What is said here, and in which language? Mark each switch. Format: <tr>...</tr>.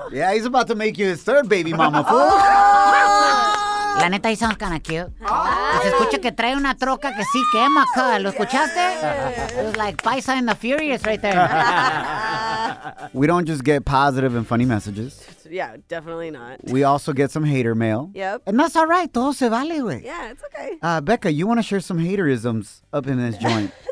<en>Yeah, he's about to make you his third baby mama, fool.</en> <es>La neta,</es> <en>he sounds kinda cute. Ay.</en> <es>Se escucha que trae una troca que sí quema, acá. ¿Lo escuchaste?</es> <en>Yeah. It was like Paisa and the Furious right there. We don't just get positive and funny messages. Yeah, definitely not. We also get some hater mail. Yep. And that's all right.</en> <es>Todo se vale, güey.</es> <en>Yeah, it's okay. Becca, you want to share some haterisms up in this joint.</en>